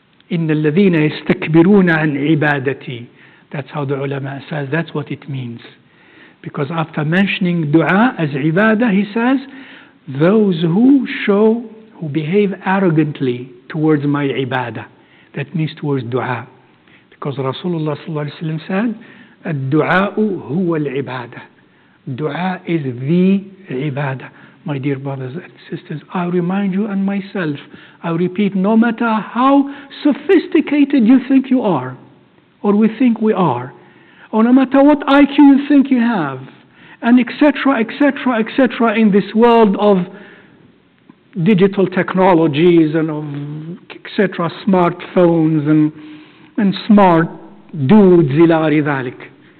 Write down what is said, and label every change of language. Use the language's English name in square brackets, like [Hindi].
[Arabic] إِنَّ الَّذِينَ يَسْتَكْبِرُونَ عَنْ عِبَادَتِي. [English] That's how the ulama says, that's what it means. Because after mentioning dua as ibadah, he says, those who behave arrogantly towards my ibadah, that means towards dua. Because Rasulullah صلى الله عليه وسلم said, [Arabic] الدُعَاء هو العبادة. [English] Dua is the ibadah. My dear brothers and sisters, I remind you and myself, I repeat, no matter how sophisticated you think you are, or we think we are, or no matter what IQ you think you have, and etc., etc., etc., in this world of digital technologies and of etc., smartphones and smart dudes, [Arabic] ila ridhalik.